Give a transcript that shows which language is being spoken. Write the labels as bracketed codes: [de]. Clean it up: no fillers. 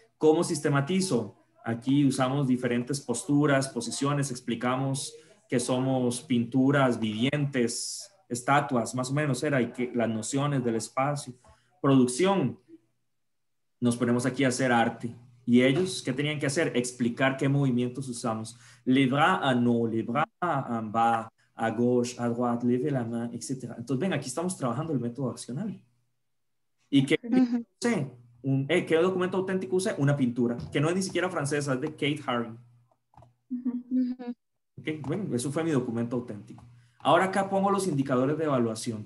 [es] ¿Cómo sistematizo? Aquí usamos diferentes posturas, posiciones, explicamos que somos pinturas vivientes, estatuas, más o menos era, y que las nociones del espacio. Producción, nos ponemos aquí a hacer arte. ¿Y ellos qué tenían que hacer? Explicar qué movimientos usamos. [fr] Le bras en haut, le bras en bas, a gauche, a droite, lever la main, etc. [es] Entonces, ven, aquí estamos trabajando el método accional. ¿Y qué usé? ¿Qué documento auténtico usé? Una pintura, que no es ni siquiera francesa, es de Kate Haring. Okay, bueno, eso fue mi documento auténtico. Ahora acá pongo los indicadores de evaluación.